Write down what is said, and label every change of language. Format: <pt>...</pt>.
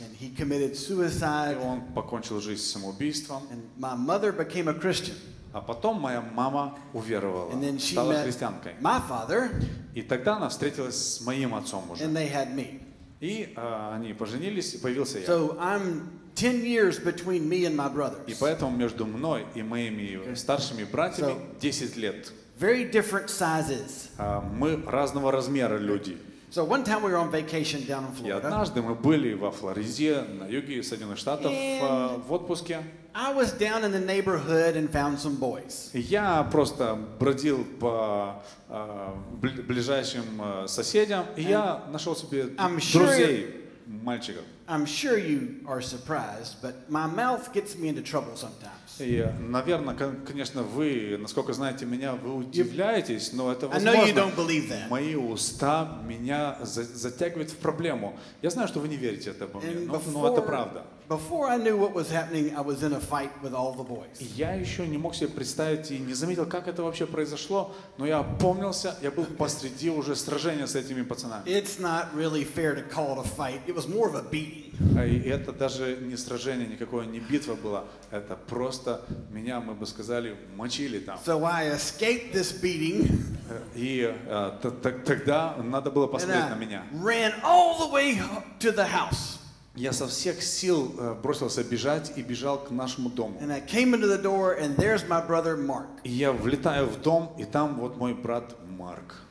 <en>And he committed suicide.</en> <ru>И он покончил жизнь самоубийством.</ru> <en>And my mother became a Christian.</en> <ru>А потом моя мама уверовала,</ru> <en>and then</en> <ru>стала христианкой.</ru> <en>My father.</en> <ru>И тогда она встретилась с моим отцом уже.</ru> <en>And they had me.</en> <ru>И они поженились, и появился я.</ru> <en>So I'm 10 years between me and my brothers.</en> <ru>И поэтому между мной и моими старшими братьями 10 лет.</ru> <en>Very different sizes.</en> <ru>Мы разного размера люди.</ru> <en>So one time we were on vacation down in Florida.</en> <ru>И однажды мы были во Флориде, на юге Соединенных Штатов, в отпуске.</ru> <en>I was down in the neighborhood and found some boys.</en> <ru>Я просто бродил по ближайшим соседям, и я нашел себе друзей, мальчиков.</ru> <en>I'm sure you are surprised, but my mouth gets me into trouble sometimes.</en> <ru>Наверное, конечно, вы, насколько знаете меня, вы удивляетесь, но это возможно.</ru> <en>I know you don't believe that.</en> <ru>Мои уста меня затягивают в проблему. Я знаю, что вы не верите этому, но это правда.</ru> <en>Before I knew what was happening, I was in a fight with all the boys.</en> <ru>Я еще не мог себе представить и не заметил, как это вообще произошло, но я опомнился, я был посреди уже сражения с этими пацанами.</ru> <en>It's not really fair to call it a fight. It was more of a beating.</en> <ru>И это даже не сражение никакое, не битва была. Это просто меня, мы бы сказали, мочили там.</ru> <en>So I escaped this beating.</en> <ru>И тогда надо было посмотреть на меня.</ru> <en>Ran all the way to the house.</en> <ru>Я со всех сил бросился бежать и бежал к нашему дому.</ru> <en>And I came into the door, and there's my brother Mark.</en> <ru>И я влетаю в дом, и там вот мой брат Марк.</ru>